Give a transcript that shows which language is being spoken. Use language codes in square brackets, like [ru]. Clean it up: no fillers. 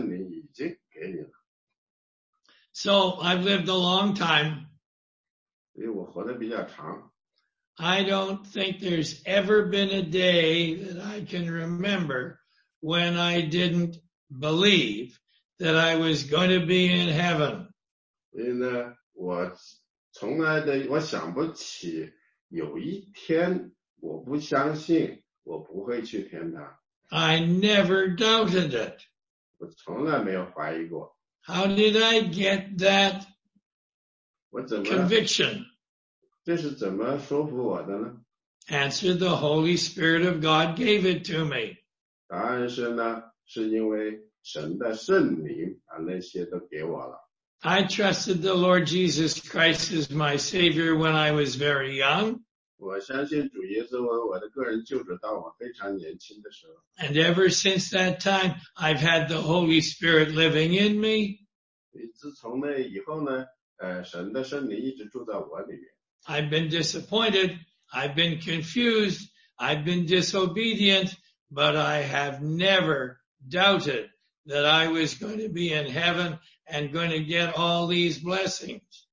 [zh] 就是因为神的圣灵已经给你了。 [en] So I've lived a long time. [zh] 因为我活得比较长。 [en] I don't think there's ever been a day that I can remember when I didn't believe that I was going to be in heaven. [zh] 因为我从来的，我想不起有一天我不相信我不会去天堂。 [en] I never doubted it. [zh] 我从来没有怀疑过。 [en] How did I get that conviction? This is the most powerful, I don't know. Answer, the Holy Spirit of God gave it to me. [zh] 答案是呢，是因为神的圣灵把那些都给我了。 [en] I trusted the Lord Jesus Christ as my Savior when I was very young. [zh] 我相信主耶稣为我的个人救主，当我非常年轻的时候。 [en] And ever since that time, I've had the Holy Spirit living in me. [zh] 自从那以后呢，神的圣灵一直住在我里面。 [en] I've been disappointed, I've been confused, I've been disobedient, but I have never doubted that I was going to be in heaven and going to get all these blessings.